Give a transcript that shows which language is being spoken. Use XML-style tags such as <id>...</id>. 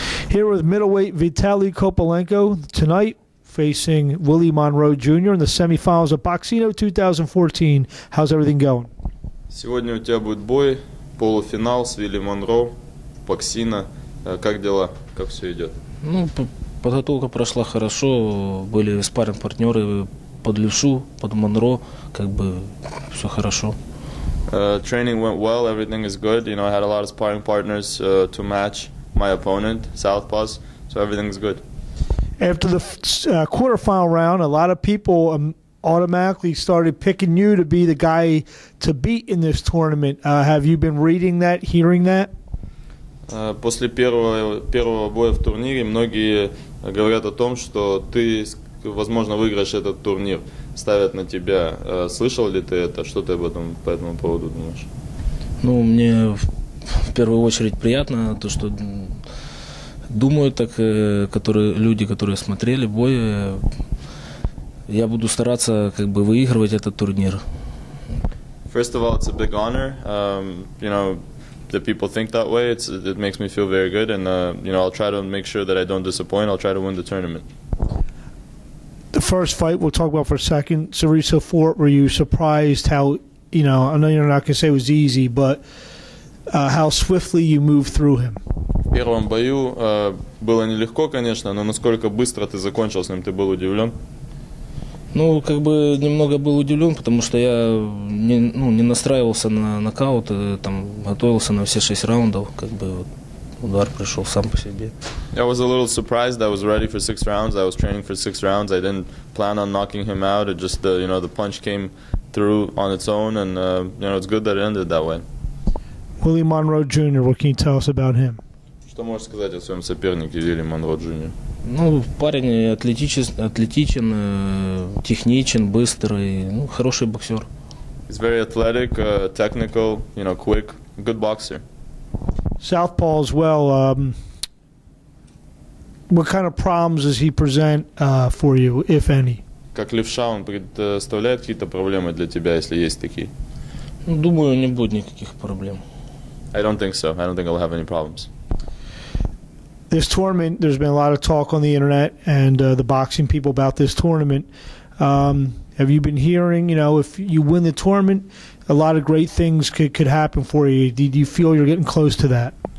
<en>here with middleweight Vitalii Kopylenko tonight, facing Willie Monroe Jr. in the semifinals of Boxcino 2014. How's everything going?</en> <ru>Сегодня у тебя будет бой, полуфинал с Вилли Монро, Боксина. Как дела? Как все идет? Ну, подготовка прошла хорошо. Были спарринг-партнеры под Левшу, под Монро. Как бы все хорошо.</ru> <en>Training went well, everything is good. You know, I had a lot of sparring partners to match my opponent, Southpaws, so everything's good. After the quarterfinal round, a lot of people automatically started picking you to be the guy to beat in this tournament. Have you been reading that, hearing that?</en> <ru>После первого боя в турнире многие говорят о том, что ты, возможно, выиграешь этот турнир. Ставят на тебя. Слышал ли ты это? Что ты об этом по этому поводу думаешь? Ну, мне в первую очередь приятно то, что думаю так, которые люди, которые смотрели бой. Я буду стараться как бы выигрывать этот турнир.</ru> <en>First of all, it's a big honor. You know, the people think that way. It makes me feel very good, and you know, I'll try to make sure that I don't disappoint. I'll try to win the tournament. The first fight we'll talk about for a second, Sarisa Fort. Were you surprised how, you know, I know you're not going to say it was easy, but how swiftly you moved through him?</en> <ru>В первом бою было нелегко, конечно, но насколько быстро ты закончил с ним, ты был удивлен? Ну, как бы немного был удивлен, потому что я не настраивался на нокаут, там готовился на все шесть раундов, как бы вот, удар пришел сам по себе.</ru> <en>I was a little surprised. I was ready for six rounds. I was training for six rounds. I didn't plan on knocking him out. It just, you know, the punch came through on its own, and you know, it's good that it ended that way. Willie Monroe Jr. What can you tell us about him?</en> <ru>Что можешь сказать о своем сопернике Вилли Монро Джуниор? Ну, парень атлетичен, техничен, быстрый, ну, хороший боксер.</ru> <en>He's very athletic, technical, you know, quick, good boxer. Southpaw as well. What kind of problems does he present for you, if any?</en> <ru>Как левша, он представляет какие-то проблемы для тебя, если есть такие? Ну, думаю, не будет никаких проблем.</ru> <en>I don't think so. I don't think I'll have any problems. This tournament, there's been a lot of talk on the internet and the boxing people about this tournament. Have you been hearing, you know, if you win the tournament, a lot of great things could happen for you? Do you feel you're getting close to that?</en>